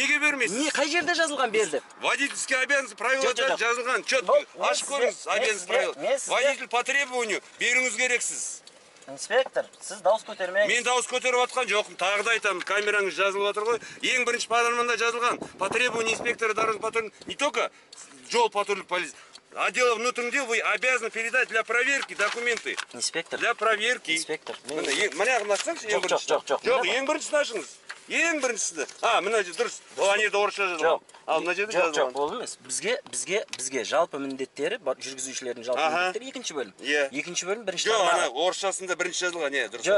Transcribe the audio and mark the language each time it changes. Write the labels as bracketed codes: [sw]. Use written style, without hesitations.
[kk] Неге бермейсіз? Не, қай жерде жазылған берді? Водительский обязанность правилада жазылған. Чет, ашып көріңіз, обязанность правила. Водитель по требованию беруіңіз керексіз. Инспектор, сіз дауыс көтермеңіз. Мен дауыс көтеріп отқан жоқпын. Тағы да айтамын, камераңыз жазылып отыр ғой. Ең бірінші параграфында жазылған. [ru] По требованию инспектора дорожного патруля, не только жол патрульной полиции. Отдела внутренних дел вы обязаны передать для проверки документы. Инспектор. Для проверки. Инспектор. [kk] Мне нахтыңызшы, ең бірінші. Жоқ, ең бірінші нашыңыз. Ең біріншісі. А, мына жерде дұрыс. Ол ана жерде орысша жазылған. Жоқ. Ал мына жерде жазылған. Жоқ, болды емес. Бізге жалпы міндеттері, жүргізушілердің жалпы міндеттері екінші бөлім. Иә. Екінші бөлім бірінші тармағы. Жоқ, ана орысшасында бірінші жазылған, иә, дұрыс.